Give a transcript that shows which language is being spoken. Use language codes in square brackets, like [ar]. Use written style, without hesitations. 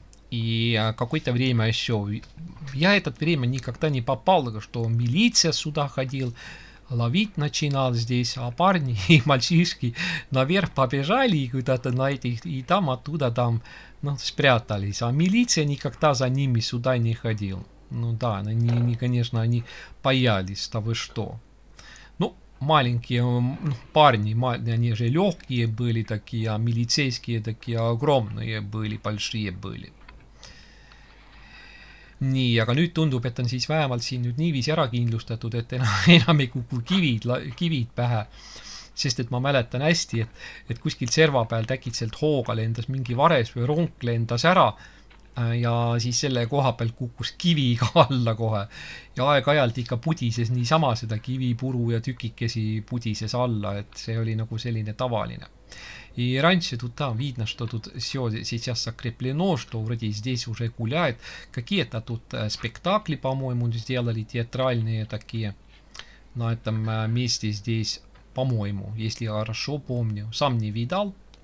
[ru] И какое-то время еще, я этот время никогда не попал, что милиция сюда ходил, ловить начинал здесь, а парни и мальчишки наверх побежали куда-то на этих, и там оттуда там, ну, спрятались, а милиция никогда за ними сюда не ходил. Ну да, они, конечно, они боялись, да вы что. Маленькие, ну, парни, они же легкие были такие, а милицейские такие огромные были, большие были. [et] Nii, aga nüüd tundub, et on siis vähemalt siin nüüd niivis ära kindlustatud, et enam ei kuku kivid pähe, sest et ma mäletan hästi, et kuskil serva peal täkitselt hooga lendas mingi vares või ronk lendas ära ja siis selle koha peal kukkus kivi ka alla kohe ja aegajalt ikka pudises niisama seda kivi, puru ja tükikesi pudises alla, et see oli nagu selline tavaline. [ru] И раньше тут там видно, что тут все сейчас закреплено, что вроде здесь уже гуляет. Какие-то тут спектакли, по-моему, сделали театральные такие на этом месте здесь, по-моему, если я хорошо помню. Сам не видал.